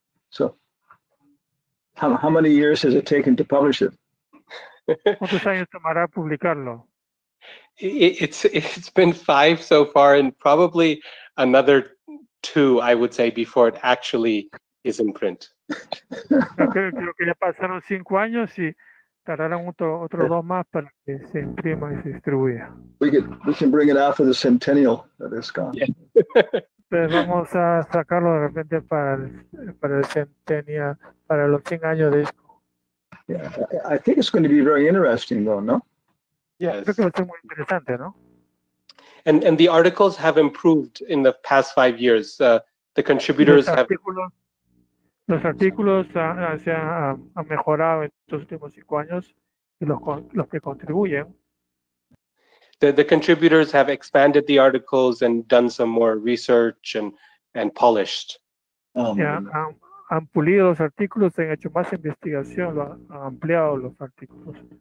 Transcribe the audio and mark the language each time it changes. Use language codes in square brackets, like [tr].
[en] So, how many years has it taken to publish it? [es] ¿Cuántos años tomará publicarlo? [en] It's been 5 so far, and probably another 2, I would say, before it actually is in print. [es] Creo que ya pasaron 5 años y tardarán otros 2 más para que se imprima y se distribuya. [en] We can bring it out for the centennial that is gone. Yeah. [es] Pues vamos a sacarlo de repente para el centennial, para los 100 años de ISKCON. [en] Yeah, I think it's going to be very interesting, though, no? Yes. [es] Creo que va a ser muy interesante, ¿no? [en] And the articles have improved in the past 5 years. The contributors have... [es] Los artículos han mejorado en estos últimos 5 años, y los que contribuyen. [en] The contributors have expanded the articles and done some more research and polished. [es] Han pulido los artículos, han hecho más investigación, han ampliado los artículos.